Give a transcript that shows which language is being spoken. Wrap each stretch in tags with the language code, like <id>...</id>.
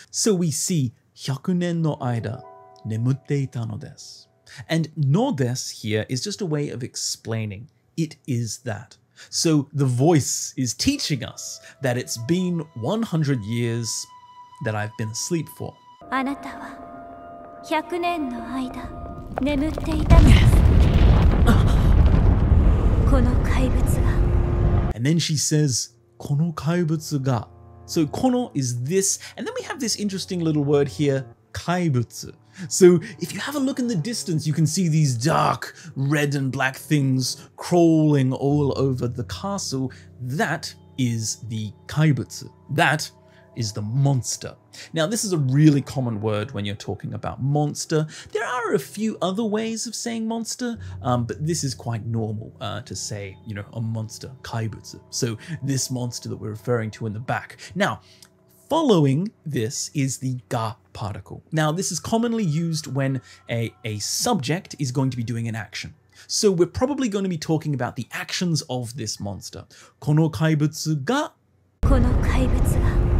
<en>So we see</en> <ja>100年の間眠っていたのです.</ja> <en>And のです here is just a way of explaining. It is that. So the voice is teaching us that it's been 100 years that I've been asleep for.</en> <ja>あなたは 100年の間眠っていたのです。この怪物が。</ja> <en>And then she says,</en> <ja>この怪物が.</ja> <en>So この is this, and then we have this interesting little word here, 怪物. So if you have a look in the distance, you can see these dark red and black things crawling all over the castle. That is the 怪物.That is the monster. Now, this is a really common word when you're talking about monster. There are a few other ways of saying monster, but this is quite normal to say, you know, a monster, 怪物. So this monster that we're referring to in the back. Now, following this is the が particle. Now, this is commonly used when a subject is going to be doing an action. So we're probably going to be talking about the actions of this monster.</en> <ja>この怪物が。この怪物が。</ja>